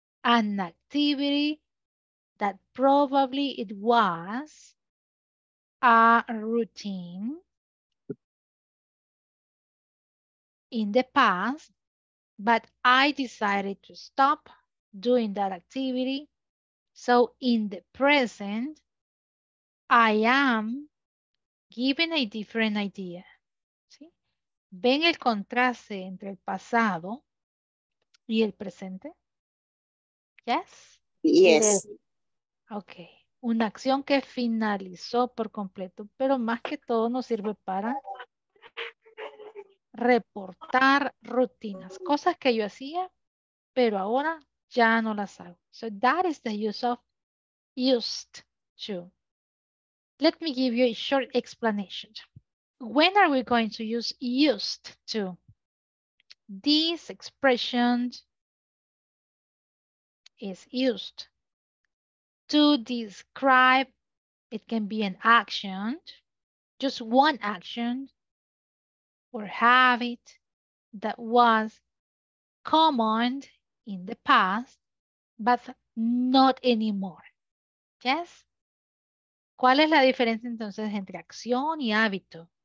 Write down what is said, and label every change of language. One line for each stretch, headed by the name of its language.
English: An activity that probably it was a routine in the past, but I decided to stop doing that activity. So in the present, I am given a different idea.
Spanish: ¿Ven el contraste entre el pasado y el presente?
English: Yes. Yes. Ok.
Spanish: Una acción que finalizó por completo, pero más que todo nos sirve para reportar rutinas, cosas que yo hacía, pero ahora ya no las hago.
English: So that is the use of used to. Let me give you a short explanation. When are we going to use used to? This expression is used to describe, it can be an action, just one action or habit that was common in the past, but not anymore. Yes?
Spanish: ¿Cuál es la diferencia entonces entre acción y hábito?